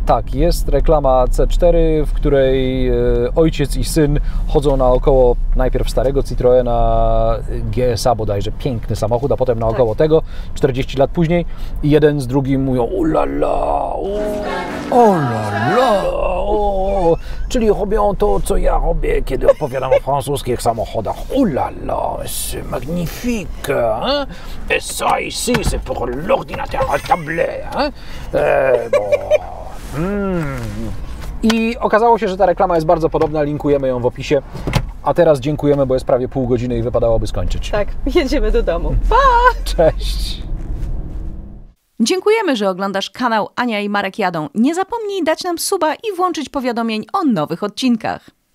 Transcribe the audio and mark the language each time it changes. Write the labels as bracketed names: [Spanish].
[Polish] Tak, jest reklama C4, w której ojciec i syn chodzą naokoło najpierw starego Citroena GSA bodajże, piękny samochód, a potem naokoło tak. tego, 40 lat później. I jeden z drugim mówią ulala, ulala. Czyli robią to, co ja robię, kiedy opowiadam o francuskich samochodach. [French] Ulala, c'est magnifique, hein? Et ça ici, c'est pour l'ordinateur, un tablet, hein? [Polish] I okazało się, że ta reklama jest bardzo podobna, linkujemy ją w opisie. A teraz dziękujemy, bo jest prawie pół godziny i wypadałoby skończyć. Tak, jedziemy do domu. Pa! Cześć! Dziękujemy, że oglądasz kanał Ania i Marek Jadą. Nie zapomnij dać nam suba i włączyć powiadomień o nowych odcinkach.